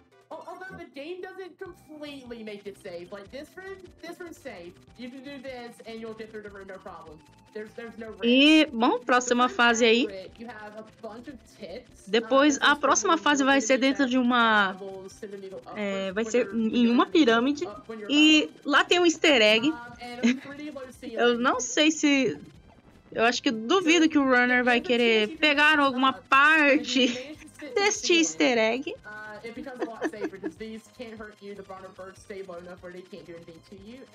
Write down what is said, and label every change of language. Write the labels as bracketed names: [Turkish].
[English] Although the game doesn't completely make it safe, like this room's safe. You can do this and you'll get through the room no problem. There's no risk. [Portuguese] E, bom, próxima fase aí. [English] You have a bunch of tips. [Portuguese] Depois a próxima fase vai ser dentro de uma vai ser em uma pirâmide e lá tem um easter egg. Eu não sei se eu acho que eu duvido que o runner vai querer pegar alguma parte deste easter egg. [English] It becomes a lot safer because these can't hurt you. The Bronner birds stay low enough where they can't do anything to you.